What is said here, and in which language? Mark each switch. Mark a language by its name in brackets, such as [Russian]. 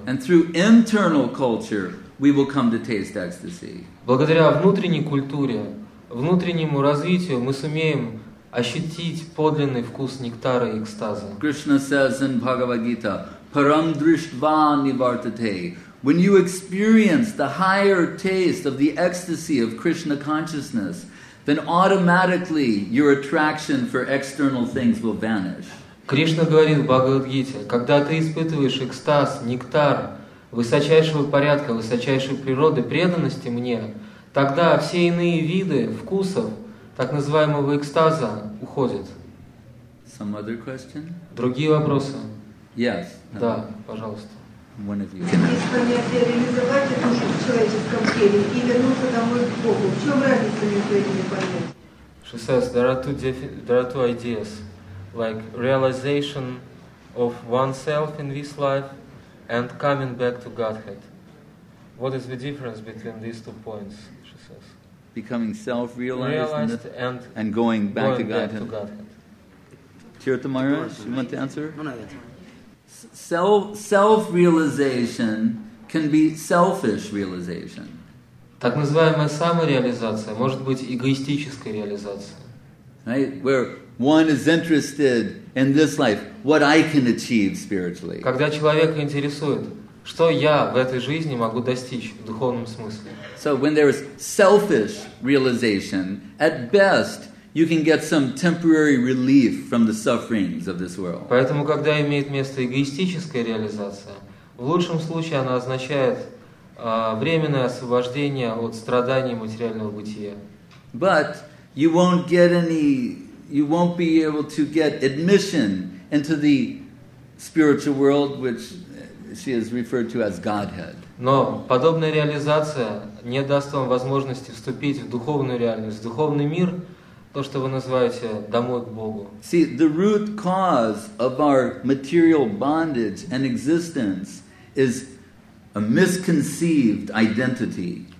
[English] And through internal culture, we will come to taste ecstasy. [Russian] Благодаря внутренней культуре, внутреннему развитию, мы сумеем ощутить подлинный вкус нектара и экстаза. [English] Krishna says in Bhagavad Gita, [Sanskrit] "Param drishtva nivartate." [English] When you experience the higher taste of the ecstasy of Krishna consciousness, then automatically your attraction for external things will vanish. [Russian] Кришна говорит в Бхагавад Гите, когда ты испытываешь экстаз, нектар высочайшего порядка, высочайшей природы, преданности мне, тогда все иные виды вкусов так называемого экстаза уходят. [English] Some other question? [Russian] Другие вопросы? [English] Yes. No. [Russian] Да, пожалуйста. [English] One of you. [Russian] Если мне реализовать эту жизнь в человеческом теле и вернуться домой к Богу, в чем разница между этими понятиями? [English] She says, there are two ideas. Like realization of oneself in this life and coming back to Godhead. What is the difference between these two points, she says? Becoming self-realized and going back, going to, back Godhead. To Godhead. Tirtha Maharaj, you want to answer? No, not yet. Self-realization can be selfish realization. [Russian] Так называемая самореализация может быть эгоистической реализацией. [English] Right? Where one is interested in this life, what I can achieve spiritually. [Russian] Когда человека интересует, что я в этой жизни могу достичь в духовном смысле. [English] So when there is selfish realization, at best, you can get some temporary relief from the sufferings of this world. [Russian] Поэтому, когда имеет место эгоистическая реализация, в лучшем случае она означает временное освобождение от страданий материального бытия. [English] But you won't be able to get admission into the spiritual world, which she has referred to as Godhead. [Russian] Но подобная реализация не даст вам возможности вступить в духовную реальность, в духовный мир, то, что вы называете «домой к Богу». [English] See, the root cause of our material bondage and existence is a misconceived identity.